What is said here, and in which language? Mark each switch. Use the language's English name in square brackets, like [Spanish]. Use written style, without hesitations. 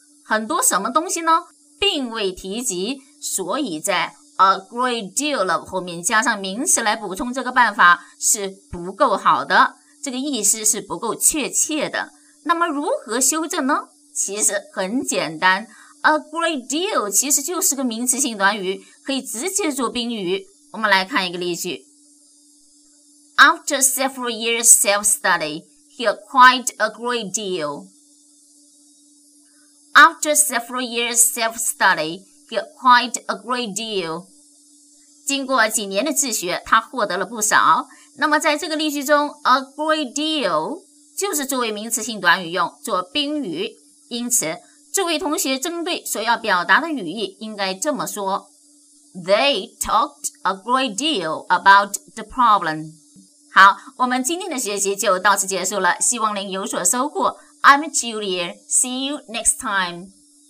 [Chinese] 很多什么东西呢？并未提及，所以在 a great deal of 后面加上名词来补充这个办法是不够好的，这个意思是不够确切的。那么如何修正呢？其实很简单， a great deal 其实就是个名词性短语，可以直接做宾语。我们来看一个例句。 [English] After several years self-study, he acquired a great deal. After several years self-study, he acquired a great deal. [Chinese] 经过几年的自学，他获得了不少。那么在这个例句中 ,a great deal 就是作为名词性短语用，做宾语。因此这位同学针对所要表达的语义应该这么说。 [English] They talked a great deal about the problem. [Chinese] 好，我们今天的学习就到此结束了，希望您有所收获。 [English] I'm Julia. See you next time.